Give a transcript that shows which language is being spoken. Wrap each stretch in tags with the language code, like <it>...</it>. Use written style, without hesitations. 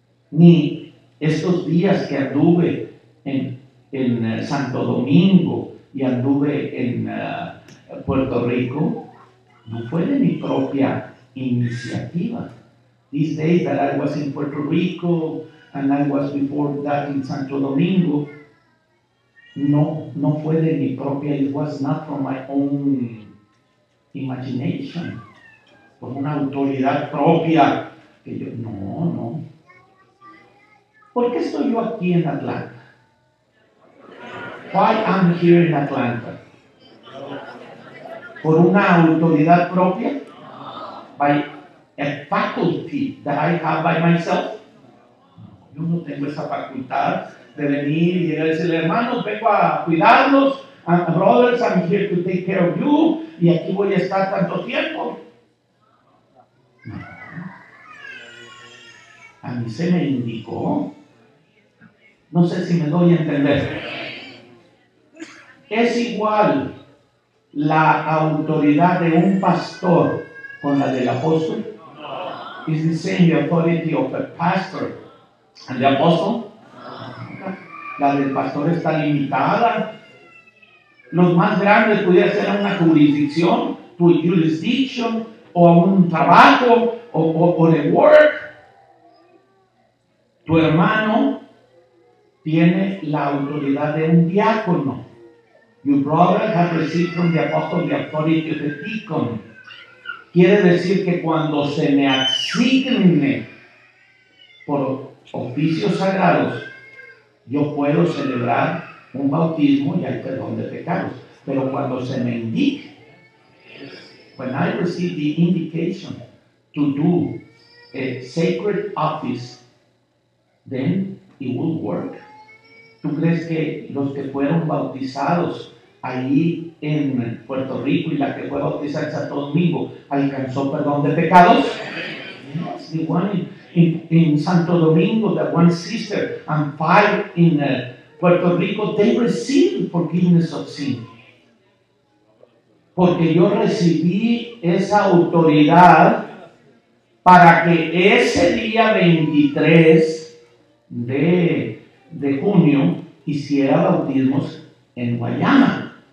<es>Ni estos días que anduve en Santo Domingo y anduve en Puerto Rico, no fue de mi propia iniciativa.</es> <en>These days that I was in Puerto Rico and I was before that in Santo Domingo,</en> <es>no fue de mi propia,</es> <en>it was not from my own imagination, from</en> <es>una autoridad propia, que yo, no. ¿Por qué estoy yo aquí en Atlanta?</es> <en>Why I'm here in Atlanta?</en> <es>¿Por una autoridad propia?</es> <en>By a faculty that I have by myself?</en> <es>Yo no tengo esa facultad de venir y decirle, hermanos, vengo a cuidarlos,</es> <en>and brothers, I'm here to take care of you,</en> <es>y aquí voy a estar tanto tiempo. A mí se me indicó. No sé si me doy a entender. Es igual la autoridad de un pastor con la del apóstol.</es> <en>Is the same the authority of a pastor and the apostle?</en> <es>La del pastor está limitada. Los más grandes pudiera ser a una jurisdicción,</es> <en>to a jurisdiction,</en> <es>o a un trabajo, o a work. Tu hermano tiene la autoridad de un diácono.</es> <en>Your brother has received from the apostle the authority of a deacon.</en> <es>Quiere decir que cuando se me asigne por oficios sagrados, yo puedo celebrar un bautismo y hay perdón de pecados. Pero cuando se me indique,</es> <en>when I receive the indication to do a sacred office, then it will work.</en> <es>¿Tú crees que los que fueron bautizados ahí en Puerto Rico y la que fue bautizada en Santo Domingo alcanzó perdón de pecados?</es> <en>Yes, the one in Santo Domingo, the one sister, and five in Puerto Rico, they received forgiveness of sin.</en> <es>Porque yo recibí esa autoridad para que ese día 23 de junio hiciera bautismos en Guayama.</es>